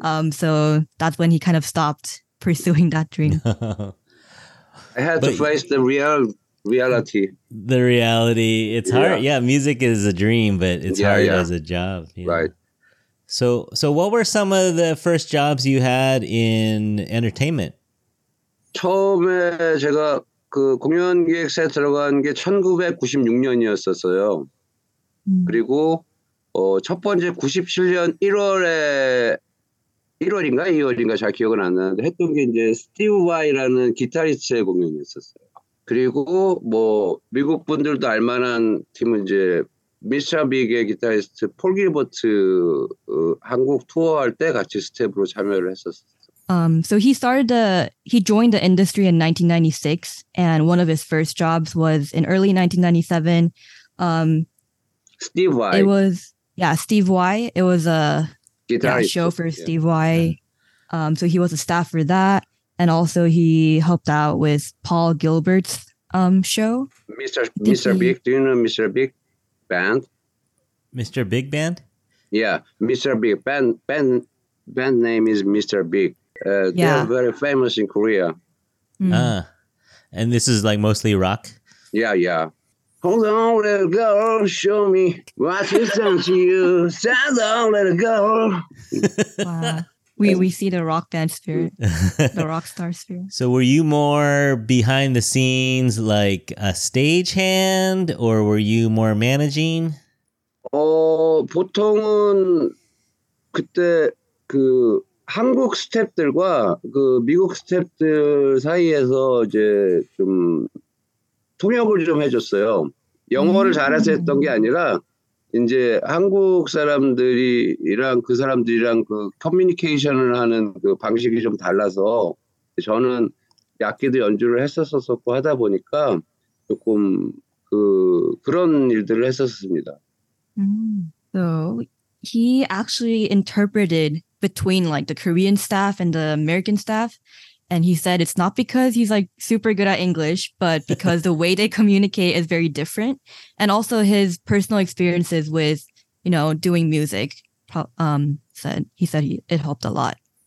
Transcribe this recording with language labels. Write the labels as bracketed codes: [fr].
[en] So that's when he kind of stopped pursuing that dream. I had to face the reality. The reality. It's hard. Yeah, music is a dream, but it's hard as a job. Yeah. Right. So what were some of the first jobs you had in entertainment? [ko] 처음에 제가 그 공연 기획사에 들어간 게 1996년이었었어요. 그리고 첫 번째 97년 1월인가 2월인가 잘 기억은 안 나는데 했던 게 이제 스티브 와이라는 기타리스트의 공연이었었어요. 그리고 뭐 미국 분들도 알 만한 팀은 이제 미스터 빅의 기타리스트 폴 길버트 한국 투어할 때 같이 스텝으로 참여를 했었어요. [en] So he joined the industry in 1996, and one of his first jobs was in early 1997. Steve Y. Steve Y. It was a show for Steve Y. Yeah. So he was a staff for that, and also he helped out with Paul Gilbert's show. Mr. Big, do you know Mr. Big Band? Mr. Big Band? Yeah, Mr. Big band name is Mr. Big. They are very famous in Korea. Mm. And this is like mostly rock? Yeah. Hold on, let it go. Show me what's done to you. Stand on, let it go. Wow. We see the rock band spirit, the rock star spirit. So were you more behind the scenes, like a stagehand, or were you more managing? [ko] 보통은 그때 그 한국 스태프들과 그 미국 스태프들 사이에서 이제 좀 통역을 좀 해줬어요. 영어를 잘해서 했던 게 아니라 이제 한국 사람들이랑 그 사람들이랑 그 커뮤니케이션을 하는 그 방식이 좀 달라서 저는 악기도 연주를 했었었고 하다 보니까 조금 그 그런 일들을 했었습니다. [en] So he actually interpreted between like the Korean staff and the American staff. And he said it's not because he's like super good at English, but because the way they communicate is very different. And also his personal experiences with, you know, doing music, he said it helped a lot.